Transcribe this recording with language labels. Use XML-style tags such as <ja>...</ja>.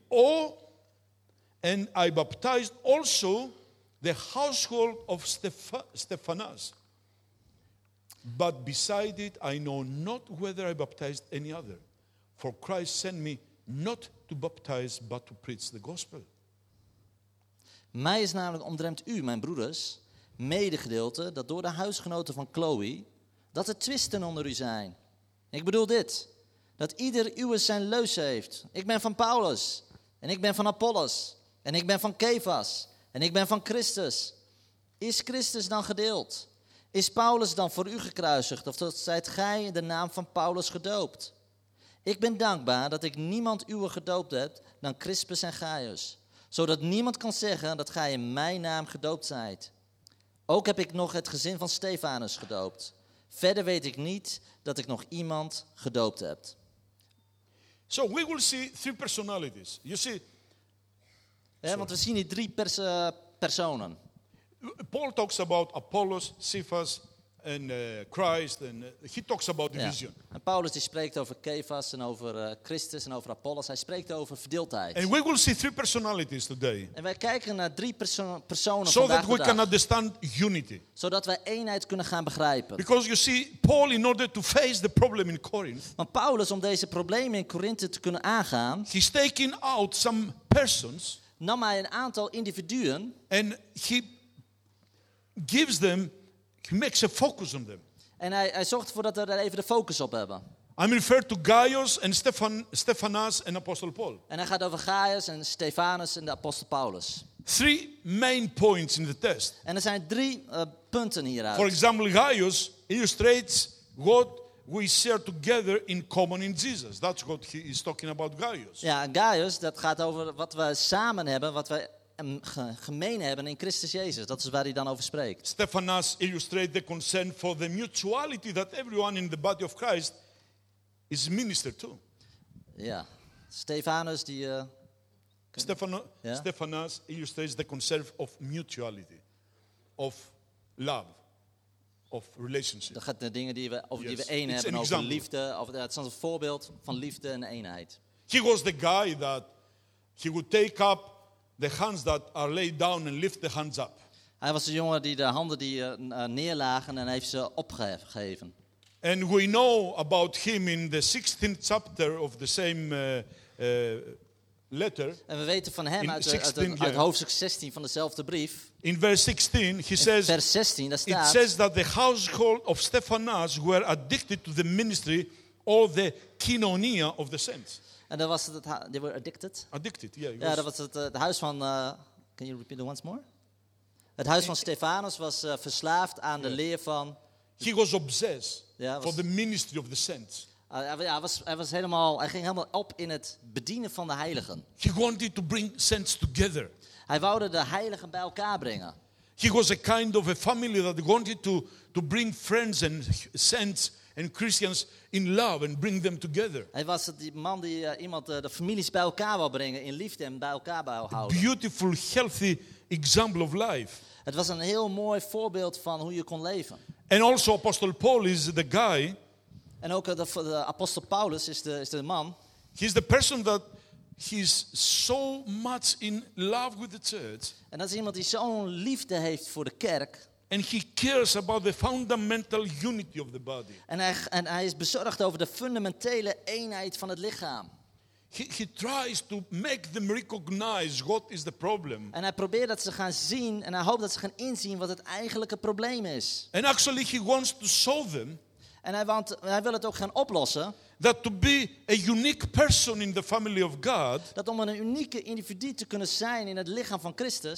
<en>Oh, and I baptized also the household of Stephanas. But beside it, I know not whether I baptized any other. For Christ sent me not to baptize, but to preach the gospel.</en> <nl>Mij is namelijk omtrent u, mijn broeders, medegedeelte dat door de huisgenoten van Chloe, dat er twisten onder u zijn. Ik bedoel dit, dat ieder uwe zijn leus heeft. Ik ben van Paulus, en ik ben van Apollos, en ik ben van Kefas, en ik ben van Christus. Is Christus dan gedeeld? Is Paulus dan voor u gekruisigd, of zijt gij in de naam van Paulus gedoopt? Ik ben dankbaar dat ik niemand uwe gedoopt heb dan Crispus en Gaius, zodat niemand kan zeggen dat gij in mijn naam gedoopt zijt. Ook heb ik nog het gezin van Stefanus gedoopt. Verder weet ik niet dat ik nog iemand gedoopt heb.</nl> <en>So we will see three personalities. You see.</en> <nl>Ja, want we zien hier drie personen.</nl> <en>Paul talks about Apollos, Cephas and Christ and he talks about division.</en> <nl>Ja. En Paulus die spreekt over Kefas en over Christus en over Apollos. Hij spreekt over verdeeldheid.</nl> <en>And we will see three personalities today.</en> <nl>En wij kijken naar drie personen</nl> <en>so</en> <nl>vandaag.</nl> <en>So that we can understand unity.</en> <nl>Zodat wij eenheid kunnen gaan begrijpen.</nl> <en>Because you see Paul in order to face the problem in Corinth.</en> <nl>Want Paulus om deze problemen in Korinthe te kunnen aangaan.</nl> <en>He's taking out some persons.</en> <nl>Nam hij een aantal individuen.</nl> <en>And he gives them, he makes a focus on them.</en> <nl>En hij zorgt ervoor dat we daar even de focus op hebben.</nl> <en>I'm referred to Gaius and Stephanas and Apostle Paul.</en> <nl>En hij gaat over Gaius en Stefanus en de apostel Paulus.</nl> <en>Three main points in the text.</en> <nl>En er zijn drie punten hieruit.</nl> <en>For example, Gaius illustrates what we share together in common in Jesus. That's what he is talking about, Gaius.</en> <nl>Ja, Gaius, dat gaat over wat we samen hebben, wat we gemeen hebben in Christus Jezus. Dat is waar hij dan over spreekt.</nl> <en>Stephanas illustrates the concern for the mutuality that everyone in the body of Christ is minister to.</en> <nl>Ja, Stephanas die.</nl> <en>Stephanas illustrates the concern of mutuality, of love. Of relationship.</en> <nl>Dat gaat naar dingen die we over die we één hebben over</nl> <en>example.</en> <nl>Liefde. Of het is als een voorbeeld van liefde en eenheid.</nl> <en>He was the guy that he would take up the hands that are laid down and lift the hands up.</en> <nl>Hij was de jongen die de handen die neerlagen en heeft ze opgegeven.</nl> <en>And we know about him in the 16th chapter of the same letter.</en> <nl>En we weten van hem uit hoofdstuk 16 van dezelfde brief.</nl> <en>In verse 16,</en> <nl>vers 16</nl> <en>it says that the household of Stephanas were addicted to the ministry or the kinonia of the saints. And that was that they were addicted. Addicted, yeah.</en> <nl>Ja, dat was het huis van.</nl> <en>Can you repeat it once more?</en> <nl>Het huis van Stephanas was verslaafd aan de leer van.</nl> <en>He was obsessed for the ministry of the saints.</en> <nl>Hij ging helemaal op in het bedienen van de heiligen.</nl> <en>He wanted to bring saints together.</en> <nl>Hij wilde de heiligen bij elkaar brengen.</nl> <en>He was a kind of a family that wanted to bring friends and saints and Christians in love and bring them together.</en> <nl>Hij was die man die iemand de families bij elkaar wil brengen in liefde en bij elkaar wil houden.</nl> <en>A beautiful, healthy example of life.</en> <nl>Het was een heel mooi voorbeeld van hoe je kon leven.</nl> <en>And also, Apostle Paul is the guy.</en> <nl>En ook de apostel Paulus is de man.</nl> <en>He's the person that he's so much in love with the church.</en> <nl>En dat is iemand die zo'n liefde heeft voor de kerk.</nl> <en>And he cares about the fundamental unity of the body.</en> <nl>En hij is bezorgd over de fundamentele eenheid van het lichaam.</nl> <en>He tries to make them recognize what is the problem.</en> <nl>En hij probeert dat ze gaan zien en hij hoopt dat ze gaan inzien wat het eigenlijke probleem is.</nl> <en>And actually he wants to show them.</en> <nl>En hij wil het ook gaan oplossen.</nl> <en>That to be a unique person in the family of God.</en> <nl>Dat om een unieke individu te kunnen zijn in het lichaam van Christus.</nl>